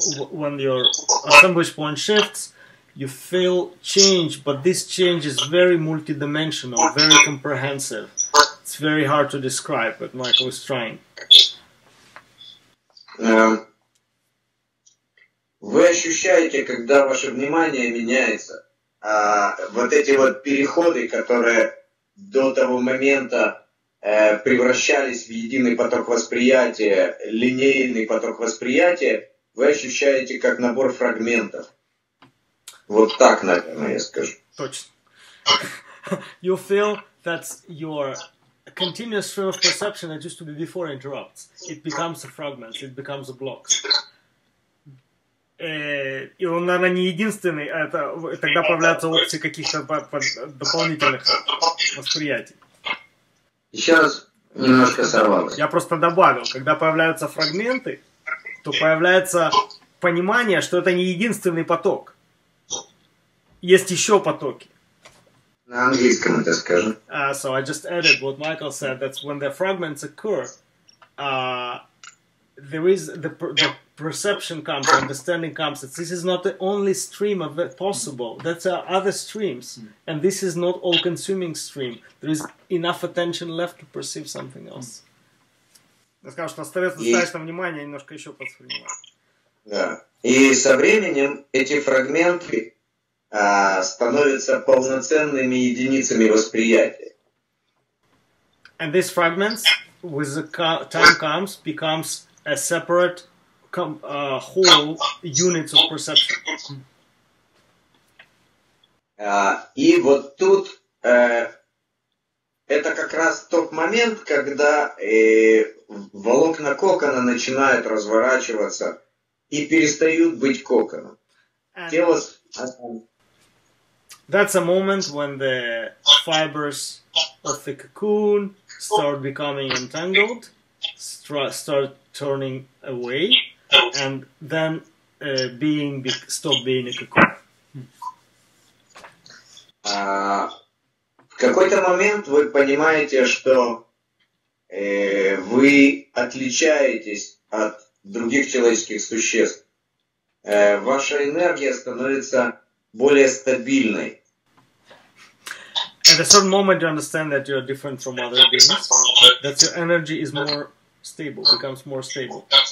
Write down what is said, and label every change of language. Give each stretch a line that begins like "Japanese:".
English: When your assemblage point shifts, you feel change, but this change is very multidimensional, very comprehensive. It's very hard to describe, but Michael is trying.
Russian: Вы ощущаете, когда ваше внимание меняется, вот эти вот переходы, которые до того момента превращались в единый поток восприятия, линейный поток восприятия, вы ощущаете как набор фрагментов. Вот так, наверное, я скажу. Точно.
English: You feel that your continuous stream of perception that used to be before interrupts. It becomes a fragment, it becomes a block.
Russian: И он, наверное, не единственный, а это тогда появляются опции каких-то дополнительных восприятий. Еще раз немножко сорвалось. Я просто добавил, когда появляются фрагменты, то появляется понимание, что это не единственный поток. Есть еще потоки. На английском это скажем.
English: So I just added what Michael said, that when the fragments occur, there is the perception comes, understanding comes, that this is not the only stream of it possible. That are other streams, and this is not all-consuming stream. There is enough attention left to perceive something else.
Russian: Я сказал, что остается достаточно внимания, немножко еще подсвернивать. Да. И со временем эти фрагменты становятся полноценными единицами восприятия.
English: And these fragments, with the time comes, becomes a separate whole units of perception.
Russian: И вот тут это как раз тот момент, когда волокна кокона начинают разворачиваться и перестают быть коконом. Тело...
English: That's a moment when the fibers of the cocoon start becoming entangled, start turning away, and then stop being a cocoon.
Russian: В какой-то момент вы понимаете, что вы отличаетесь от других человеческих существ. Ваша энергия становится более стабильной.
English: At a certain moment you understand that you are different from other beings, that your energy is more stable, becomes more stable.